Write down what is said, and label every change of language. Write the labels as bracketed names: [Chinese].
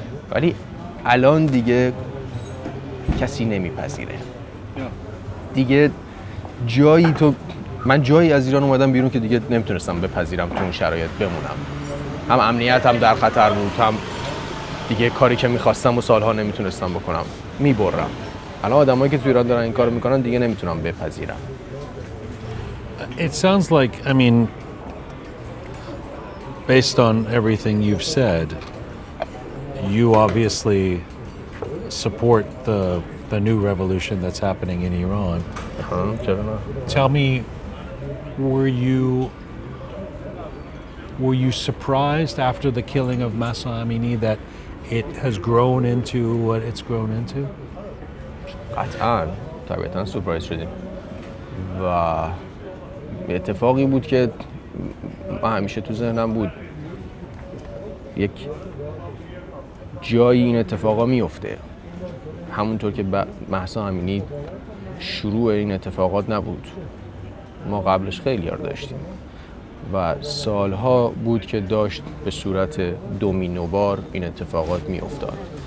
[Persian] ولی الان دیگه کسی نمیپذیره دیگه. جایی تو من جایی از ایران اومدم بیرون که دیگه نمیتونستم بپذیرم تو اون شرایط بمونم. هم امنیتم در خطر بود، هم دیگه کاری که میخواستم و سالها نمیتونستم بکنم میبرم. [English] It sounds like, I mean, based on everything you've said, you obviously support the new revolution that's happening in Iran. Tell me, were you surprised after the killing of Mahsa Amini that it has grown into what it's grown into? [Persian] قطعاً طبیعتاً سورپرایز شدیم و اتفاقی بود که من همیشه تو ذهنم بود یک جایی این اتفاقا میفته. همونطور که مهسا امینی شروع این اتفاقات نبود، ما قبلش خیلی یار داشتیم و سالها بود که داشت به صورت دومینووار این اتفاقات میافتاد.